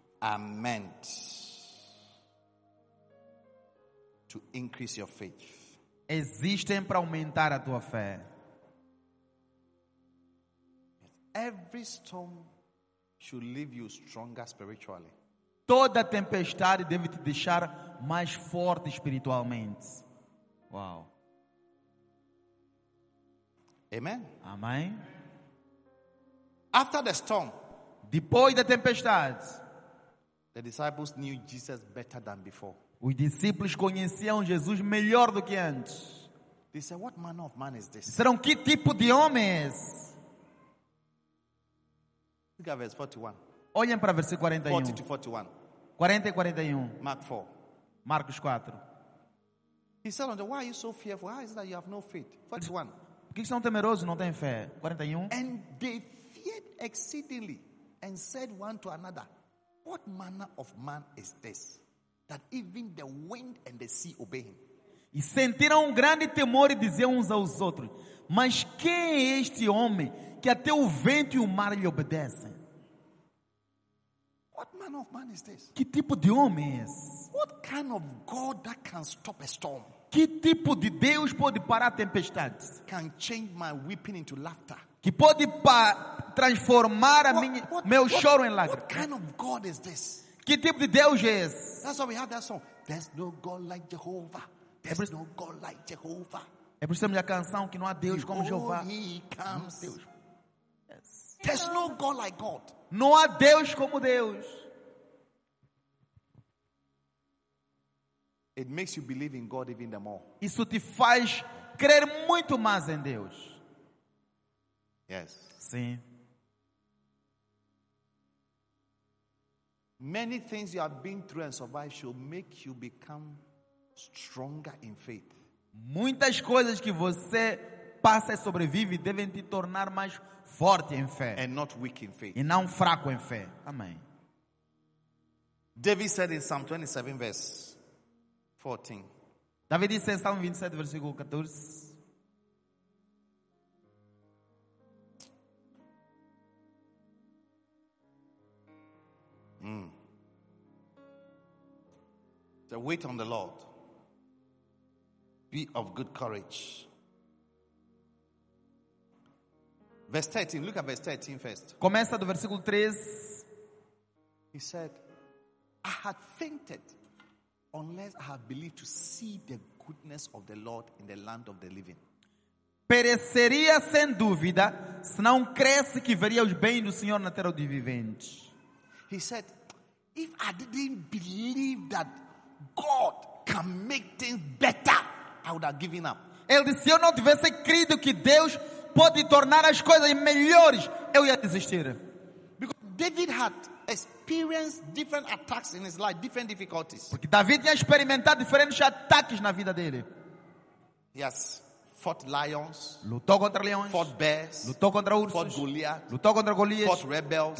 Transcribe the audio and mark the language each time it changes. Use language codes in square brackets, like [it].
[en] are meant to increase your faith. [pt] Existem para aumentar a tua fé. [en] Every storm should leave you stronger spiritually. [pt] Toda tempestade deve te deixar mais forte espiritualmente. [en] Wow. Amen. [pt] Amém. [en] After the storm, [pt] depois da tempestade, [en] the disciples knew Jesus better than before. [pt] Os discípulos conheciam Jesus melhor do que antes. [en] They said, "What manner of man is this?" [pt] Disseram, que tipo de homem é esse? [en] Look at verse 41. [pt] Olhem para versículo 41. [en] 40 to 41. [pt] 40 e 41. [en] Mark 4. [pt] Marcos 4. [en] He said unto them, "Why are you so fearful? Why is it that you have no faith?" 41. [pt] Por que são temerosos, não têm fé? 41. [en] And they feared exceedingly and said one to another, "What manner of man is this that even the wind and the sea obey him?" [pt] E sentiram grande temor e diziam uns aos outros, "Mas quem é este homem que até o vento e o mar lhe obedecem?" [en] What manner of man is this? [pt] Que tipo de homem é esse? [en] What kind of God that can stop a storm? [pt] Que tipo de Deus pode parar a tempestade? [en] Can change my weeping into laughter. [pt] Que pode transformar meu choro em lágrimas. [en] What kind of God is this? [pt] Que tipo de Deus é esse? [en] That's why we have that song. There's no God like Jehovah. There's no God like Jehovah. [pt] É por isso que a canção que não há Deus como Jeová. [en] He comes. Deus. Yes. There's no God like God. [pt] Não há Deus como Deus. [en] It makes you believe in God even the more. [pt] Isso te faz crer muito mais em Deus. [en] Yes. [pt] Sim. [en] Many things you have been through and survived should make you become stronger in faith. [pt] Muitas coisas que você passa e sobrevive devem te tornar mais forte em fé. [en] And not weak in faith. [pt] E não fraco em fé. Amém. [en] David said in Psalm 27 verse 14. [pt] Davi disse em Salmo 27 versículo 14. [en] So wait on the Lord. Be of good courage. Verse 13, look at verse 13 first. [pt] Começa do versículo 13. [en] He said, "I had fainted unless I have believed to see the goodness of the Lord in the land of the living." [pt] Pereceria sem dúvida se não cresce que veria os bens do Senhor na terra dos viventes. [en] He said, "If I didn't believe that God can make things better, I would have given up." [pt] Ele disse, se eu não tivesse crido que Deus pode tornar as coisas melhores, eu ia desistir. [en] Because David had experienced different attacks in his life, different difficulties. [pt] Porque Davi tinha experimentado diferentes ataques na vida dele. [en] Yes. Fought lions. [pt] Lutou contra leões. [en] Fought bears. [pt] Lutou contra ursos. [en] Fought Goliath. [pt] Lutou contra Golias. [en] Fought rebels.